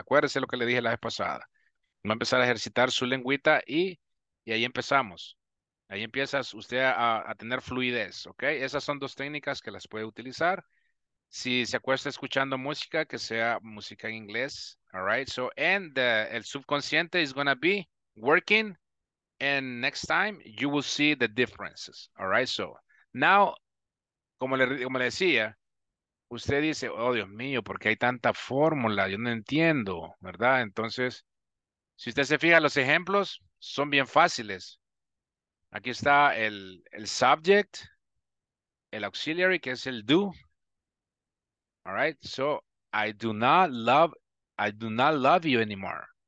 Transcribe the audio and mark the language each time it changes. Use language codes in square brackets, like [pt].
[es] Acuérdese lo que le dije la vez pasada. Va a empezar a ejercitar su lengüita y ahí empezamos. Ahí empieza usted a tener fluidez. ¿Okay? Esas son dos técnicas que las puede utilizar. Si se acuesta escuchando música, que sea música en inglés. [en] All right. So, and [es] el subconsciente [en] is going to be working. And next time, you will see the differences. All right, so now, [es] como le decía, usted dice, oh, Dios mío, ¿por qué hay tanta fórmula? Yo no entiendo, ¿verdad? Entonces, si usted se fija, los ejemplos son bien fáciles. Aquí está el subject, el auxiliary, que es el do. [en] All right, so I do not love you anymore.